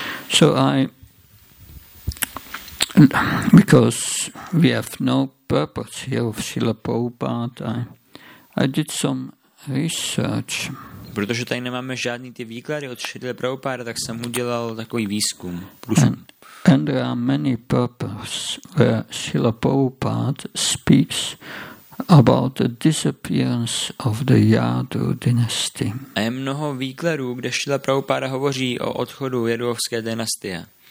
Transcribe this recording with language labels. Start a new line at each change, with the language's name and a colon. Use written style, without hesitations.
English: So I, because we have no purpose here of Srila Prabhupada, I did some research.
Czech: Protože tady nemáme žádný ty výklady od Šrily Prabhupády, tak jsem udělal takový výzkum. Průzkum.
English: And there are many purposes where Srila Prabhupada speaks about the disappearance of the Yadu dynasty.
Czech: A je mnoho výkladů, kde Šrila Prabhupáda hovoří o odchodu Yadovské dynastie.